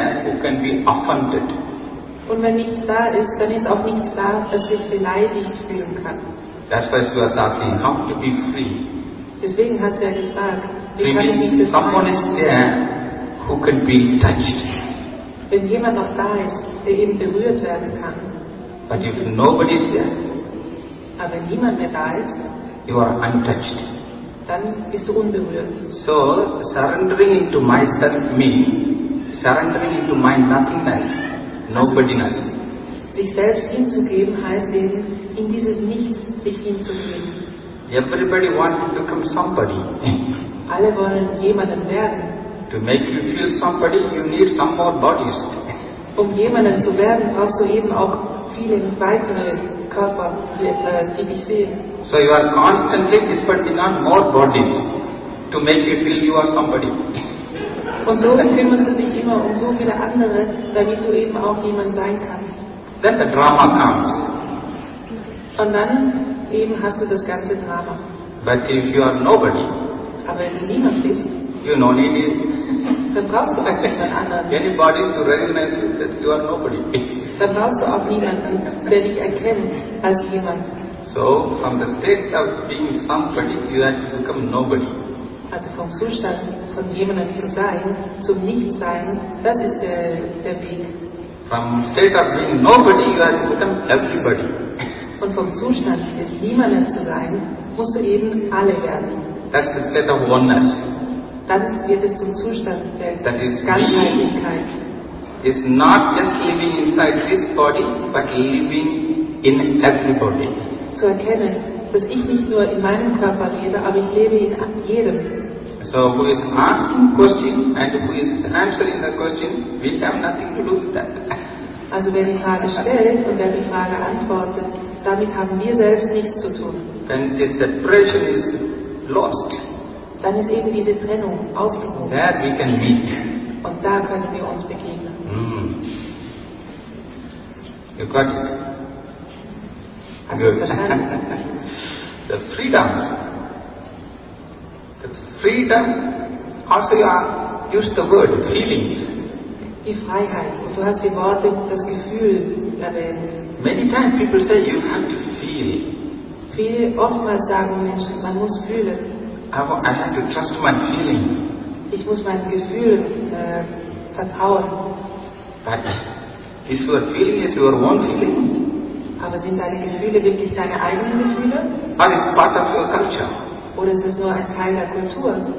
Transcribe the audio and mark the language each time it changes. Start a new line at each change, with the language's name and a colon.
German: Und wenn nichts da ist, dann ist auch nichts da, das sich beleidigt fühlen kann.
English: That's why Sua is asking, how to be free?
German: Deswegen hast du ja gefragt, wie kann ich mich befreien?
English: Someone is there who can be touched.
German: Wenn jemand noch da ist, der eben berührt werden kann.
English: But if nobody is there,
German: aber niemand mehr da ist,
English: you are untouched.
German: Dann bist du unberührt.
English: So, surrendering into myself, me, surrendering into my nothingness, nobodyness.
German: Sich selbst hinzugeben heißt eben, in dieses Nichts sich hinzugeben.
English: Everybody wants to become somebody.
German: Alle wollen jemanden werden.
English: To make you feel somebody, you need some more bodies.
German: Um jemanden zu werden, brauchst du eben auch viele weitere Körper, die dich sehen.
English: So you are constantly putting on more bodies to make you feel you are somebody.
German: Und so kümmerst du dich immer um so viele andere, damit du eben auch jemand sein kannst.
English: Then the drama comes.
German: Und dann eben hast du das ganze Drama.
English: But if you are nobody,
German: aber wenn du niemand bist,
English: you no need it.
German: Dann brauchst du auch niemand anderen.
English: Anybody to recognize you that you are nobody.
German: Dann brauchst du auch niemanden, der dich erkennt als jemand.
English: So, from the state of being somebody, you have to become nobody.
German: Also vom Zustand von jemandem zu sein, zum Nichtsein, das ist der Weg.
English: From state of being nobody, you have to become everybody.
German: Und vom Zustand des Niemanden zu sein, musst du eben alle werden.
English: That's the state of oneness.
German: Dann wird es zum Zustand der Ganzheitlichkeit.
English: Is not just living inside this body, but living in everybody.
German: Zu erkennen, dass ich nicht nur in meinem Körper lebe, aber ich lebe in jedem.
English: So who is asking question and who is answering the question, we have nothing to do with that.
German: Also wer die Frage stellt und wer die Frage antwortet, damit haben wir selbst nichts zu tun.
English: Then if the pressure is lost,
German: dann ist eben diese Trennung aufgehoben.
English: There we can meet.
German: Und da können wir uns begegnen.
English: You got it. The freedom. The freedom. Also you are, use the word feeling.
German: Die Freiheit. Und du hast die Worte, das Gefühl erwähnt.
English: Many times people say you have to feel.
German: Viele oftmals sagen Menschen, man muss fühlen.
English: I have to trust my feeling.
German: Ich muss mein Gefühl vertrauen.
English: But is your feeling is your own feeling?
German: Aber sind deine Gefühle wirklich deine eigenen Gefühle?
English: Or is part of your culture?
German: Oder ist es nur ein Teil der Kultur?